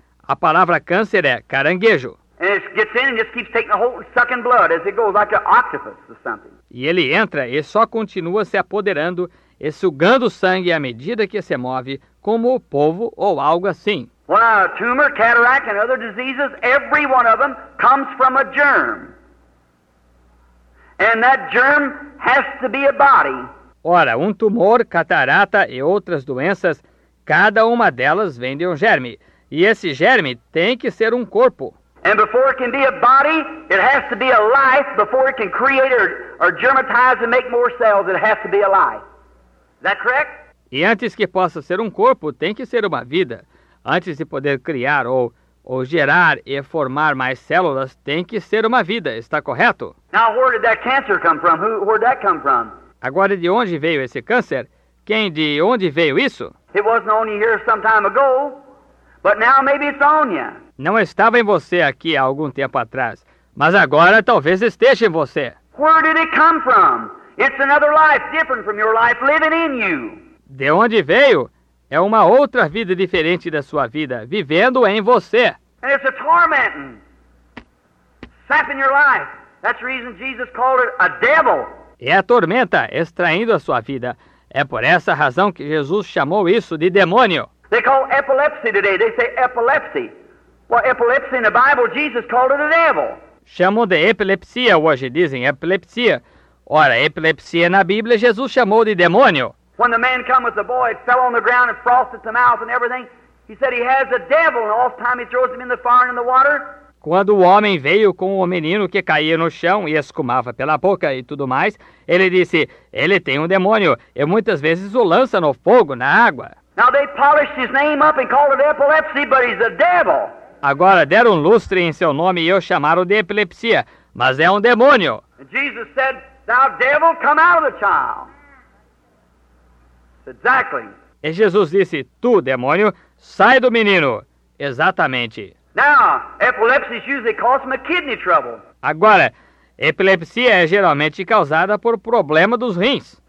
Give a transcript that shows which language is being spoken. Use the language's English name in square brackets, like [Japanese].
[Portuguese] A palavra câncer é caranguejo. [English] And it gets in and just keeps taking a hold and sucking blood as it goes, like an octopus or something. [Portuguese] E ele entra e só continua se apoderando e sugando sangue à medida que se move, como o polvo ou algo assim. [English] Well, tumor, cataract and other diseases, every one of them comes from a germ. And that germ has to be a body. [Portuguese] Ora, tumor, catarata e outras doenças, cada uma delas vem de germe. E esse germe tem que ser corpo. [English] And before it can be a body, it has to be a life. Before it can create or germatize and make more cells, it has to be a life. Is that correct? [Portuguese] E antes que possa ser corpo, tem que ser uma vida. Antes de poder criar ou gerar e formar mais células, tem que ser uma vida. Está correto? [English] Now, where did that cancer come from? Where did that come from? [Portuguese] Agora, de onde veio esse câncer? Quem de onde veio isso? [English] It wasn't on you here some time ago, but now maybe it's on you. [Portuguese] Não estava em você aqui há algum tempo atrás, mas agora talvez esteja em você. [English] Where did it come from? It's another life, different from your life, living in you. [Portuguese] De onde veio? É outra vida diferente da sua vida, vivendo em você. [English] And it's a tormenting, sapping your life. That's the reason Jesus called it a devil. [Portuguese] É a tormenta, extraindo a sua vida. É por essa razão que Jesus chamou isso de demônio. [English] They call epilepsy today. They say epilepsy. Well, epilepsy in the Bible, Jesus called it a devil. [Portuguese] Chamam de epilepsia hoje, dizem epilepsia. Ora, epilepsia na Bíblia, Jesus chamou de demônio. [English] When the man come with the boy, it fell on the ground and frosted the mouth and everything. He said he has a devil, and all the time he throws him in the fire and in the water. [Portuguese] Quando o homem veio com o menino que caía no chão e escumava pela boca e tudo mais, ele disse, ele tem demônio, e muitas vezes o lança no fogo, na água. [English] Now they polished his name up and called it epilepsy, but he's a devil. [Portuguese] Agora deram lustre em seu nome e o chamaram de epilepsia, mas é demônio. [English] And Jesus said, thou devil, come out of the child. Exactly. [Portuguese] E Jesus disse, tu, demônio, sai do menino. Exatamente. [English] Now, epilepsy usually causes a kidney trouble. [Portuguese] Agora, epilepsia é geralmente causada por problema dos rins.